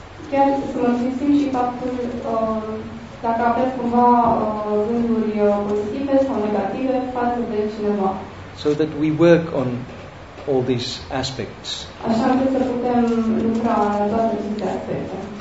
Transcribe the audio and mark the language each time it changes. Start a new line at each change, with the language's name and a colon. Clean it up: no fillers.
Romanian: Chiar să mărturisim și faptul dacă aveți cumva gânduri pozitive sau negative față de cineva.
English: So that we work on all these aspects.
Romanian: Așa că să putem lucra la toate aceste aspecte.